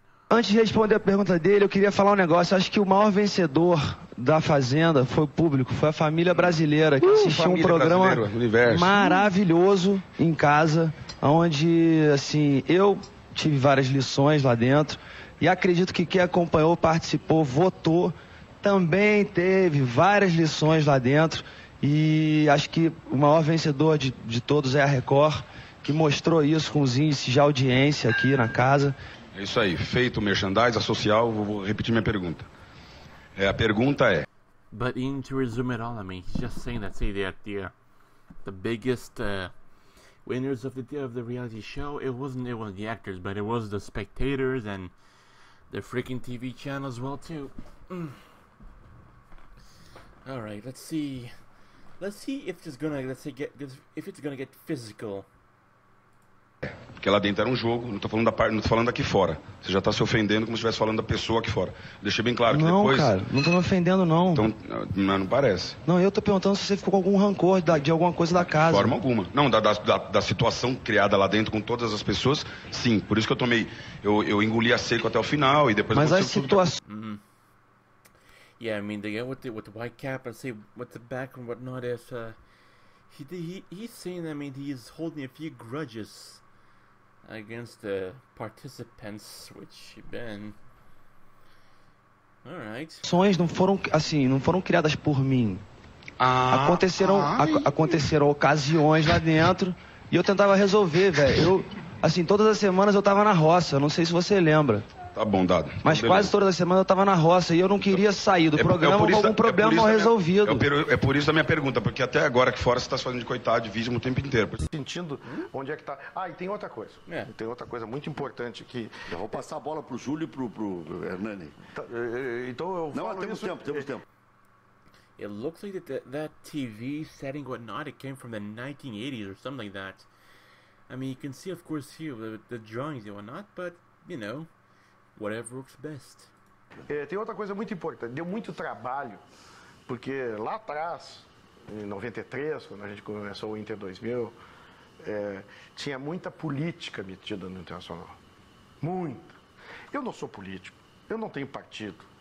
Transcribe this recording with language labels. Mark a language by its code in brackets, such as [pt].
[pt] Antes de responder a pergunta dele, eu queria falar um negócio. Acho que o maior vencedor da Fazenda foi o público, foi a família brasileira, que assistiu um programa maravilhoso em casa, onde, assim, eu tive várias lições lá dentro, e acredito que quem acompanhou, participou, votou, também teve várias lições lá dentro, e acho que o maior vencedor de todos é a Record, que mostrou isso com os índices de audiência aqui na casa. É isso aí, feito o merchandising, a social, vou repetir minha pergunta. É, a pergunta é. [en] But in to resume it all, I mean, he's just saying that, say that the biggest winners of the reality show, it wasn't the actors, but it was the spectators and the freaking TV channel as well too. Mm. All right, let's see if it's gonna get physical. [pt] Porque lá dentro era um jogo, não tô falando da parte, não tô falando aqui fora. Você já tá se ofendendo como se estivesse falando da pessoa aqui fora. Deixei bem claro que não, depois... Não, cara, não tô me ofendendo, não. Então, não parece. Não, eu tô perguntando se você ficou com algum rancor de alguma coisa da casa. De forma alguma. Não, da situação criada lá dentro com todas as pessoas, sim. Por isso que eu tomei... Eu engoli a seco até o final e depois... Mas as situações... Tudo... Mm-hmm. [en] Yeah, I mean, the guy with the white cap and say what the back and what not is... He's saying, I mean, he's holding a few grudges... against the participants, which been all right. [pt] Ações não foram assim, não foram criadas por mim. Ah, aconteceram ocasiões lá dentro e eu tentava resolver, velho. Eu assim, todas as semanas eu tava na roça, não sei se você lembra. Tá bom, dado. Mas então, quase todas as semanas eu tava na roça e eu não queria sair do programa com algum problema mal resolvido. É por isso da minha pergunta, porque até agora que fora você tá se fazendo de coitado, de vítima o tempo inteiro. Sentindo onde é que tá... Ah, e tem outra coisa. É. Tem outra coisa muito importante aqui. Eu vou passar a bola pro Júlio e pro Hernani. Tá, então eu falo não, temos isso... tempo, temos tempo. [en] It looks like that TV setting or not, it came from the 1980s or something like that. I mean, you can see, of course, here the drawings and whatnot, but, you know... Whatever works best. [pt] É, tem outra coisa muito importante. Deu muito trabalho, porque lá atrás, em 93, quando a gente começou o Inter 2000, tinha muita política metida no Internacional. Muita. Eu não sou político. Eu não tenho partido.